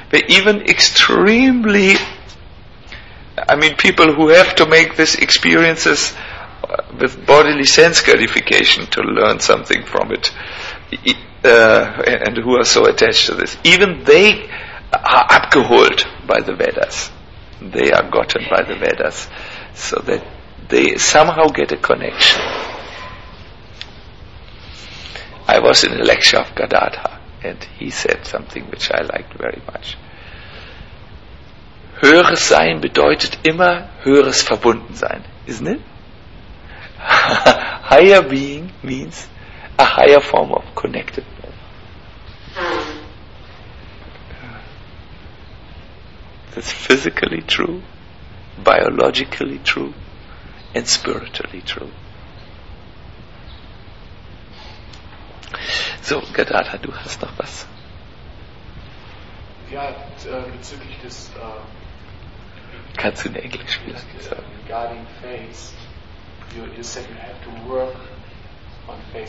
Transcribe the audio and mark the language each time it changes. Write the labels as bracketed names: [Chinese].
[English] Even extremely, I mean, people who have to make these experiences with bodily sense gratification to learn something from it, and who are so attached to this, even they are abgeholt by the Vedas. They are gotten by the Vedas, so that they somehow get a connection. I was in a lecture of Gadadhar, and he said something which I liked very much. [German] Höheres Sein bedeutet immer höheres Verbundensein, [English] isn't it? Higher being means a higher form of connectedness. That's physically true, biologically true, and spiritually true. [German] So, Gadadhar, du hast noch was? Ja, bezüglich des... Kannst du in Englisch vielleicht sagen? [English] Regarding faith, you said you have to work on faith.